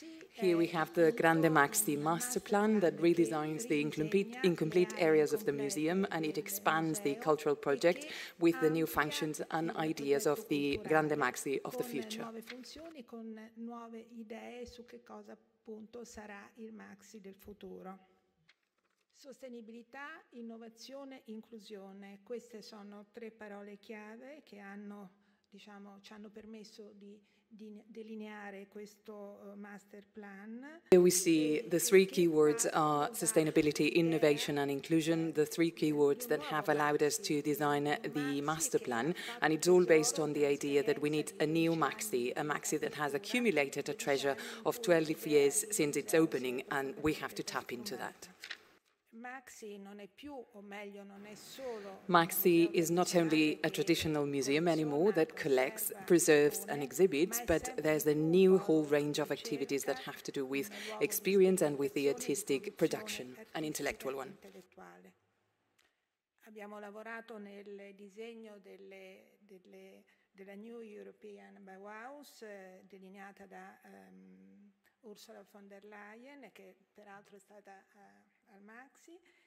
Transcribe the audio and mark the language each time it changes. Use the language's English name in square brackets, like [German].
[English] Here we have the Grande MAXXI master plan that redesigns the incomplete areas of the museum, and it expands the cultural project with the new functions and ideas of the Grande MAXXI of the future. [Italian] Nuove idee su che cosa appunto sarà il MAXXI del futuro. Sostenibilità, innovazione, inclusione. Queste sono tre parole chiave che hanno, diciamo, ci hanno permesso di delineare questo master plan. [English] Here we see the three keywords are sustainability, innovation and inclusion, the three keywords that have allowed us to design the master plan. And it's all based on the idea that we need a new MAXXI, a MAXXI that has accumulated a treasure of 12 years since its opening, and we have to tap into that. [Italian] MAXXI non è più, o meglio, non è solo. [English] MAXXI is not only a traditional museum anymore that collects, preserves and exhibits, but there's a new whole range of activities that have to do with experience and with the artistic production, an intellectual one. [Italian] Abbiamo lavorato nel disegno della New European Bauhaus, delineata da Ursula von der Leyen, che peraltro è stata al MAXXI.